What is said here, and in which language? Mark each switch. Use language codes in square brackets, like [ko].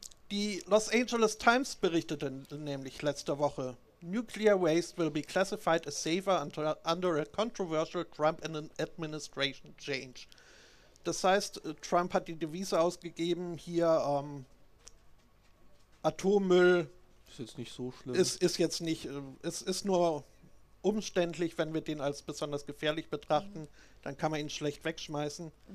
[de] Die Los Angeles Times berichtete nämlich letzte Woche, [en] Nuclear waste will be classified as safer under a controversial Trump administration change. [de] Das heißt, Trump hat die Devise ausgegeben, hier Atommüll ist jetzt nicht so schlimm. Ist nur umständlich, wenn wir den als besonders gefährlich betrachten, dann kann man ihn schlecht wegschmeißen.